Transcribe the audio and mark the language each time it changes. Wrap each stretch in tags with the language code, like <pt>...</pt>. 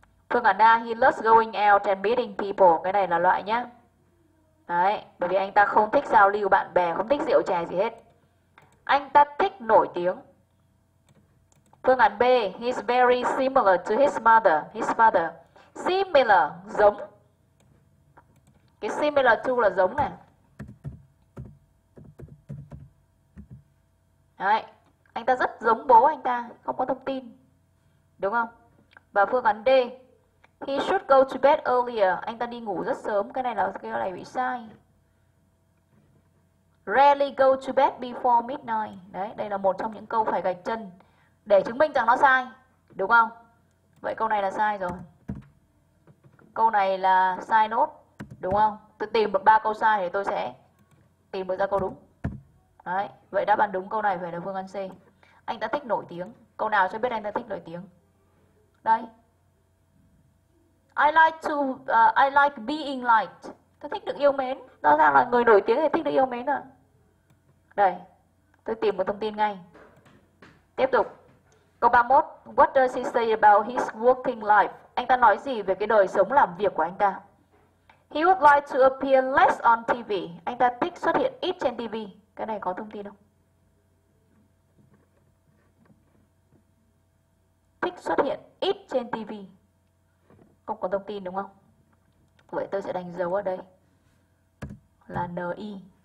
<vi>Phương án A,</vi> <en>he loves going out and meeting people.</en> <vi>Cái này là loại nhá. Đấy, bởi vì anh ta không thích giao lưu bạn bè, không thích rượu chè gì hết. Anh ta thích nổi tiếng. Phương án B,</vi> <en>he's very similar to his mother.</en> <vi>Similar, giống. Cái similar to là giống này. Đấy, anh ta rất giống bố anh ta, không có thông tin. Đúng không? Và phương án D,</vi> <en>he should go to bed earlier.</en> <vi>Anh ta đi ngủ rất sớm. Cái này bị sai.</vi> <en>Rarely go to bed before midnight.</en> <vi>Đấy, đây là một trong những câu phải gạch chân để chứng minh rằng nó sai. Đúng không? Vậy câu này là sai rồi. Câu này là sai nốt. Đúng không? Tôi tìm được ba câu sai thì tôi sẽ tìm được ra câu đúng. Đấy, vậy đáp án đúng câu này phải là phương án C. Anh ta thích nổi tiếng. Câu nào cho biết anh ta thích nổi tiếng? Đây.</vi> <en>I like being liked.</en> <vi>Tôi thích được yêu mến. Rõ ràng là người nổi tiếng thì thích được yêu mến à. Đây. Tôi tìm một thông tin ngay. Tiếp tục. Câu 31.</vi> <en>What does he say about his working life?</en> <vi>Anh ta nói gì về cái đời sống làm việc của anh ta?</vi> <en>He would like to appear less on TV.</en> <vi>Anh ta thích xuất hiện ít trên TV. Cái này có thông tin không? Thích xuất hiện ít trên TV. Không có thông tin đúng không? Vậy tôi sẽ đánh dấu ở đây là NI.</vi>